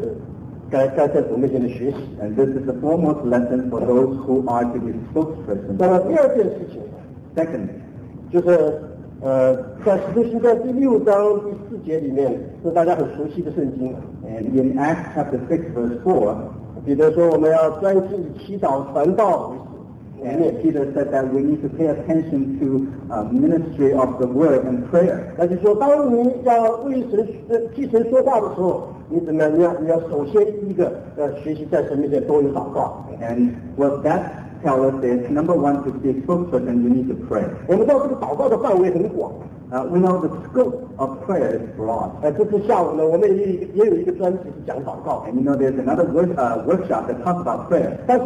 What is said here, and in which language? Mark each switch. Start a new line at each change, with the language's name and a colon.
Chinese: 这是今天要作为神的出口第一个重要的，该在我们面前的学习。
English: And this is the foremost lesson for those who are to be spokesperson.
Chinese: 那么第二件事情，
English: secondly,
Chinese: 就是。在使徒行传第6章第4节里面，是大家很熟悉的圣经。
English: And in Acts chapter 6 verse 4,
Chinese: 彼得说我们要专心祈祷传道为止。
English: And Peter said that we need to pay attention to ministry of the word and prayer.
Chinese: 那就说当你要为神替神说话的时候，你怎么样？你要首先一个学习在神面前多有祷告。
English: And with that. Tell us this, number one, to be a spokesperson, you need to pray. We know the scope of prayer is broad.
Chinese: 这次下午呢，我们也有一个专题是讲祷告。
English: And you know there's another workshop that talks about prayer.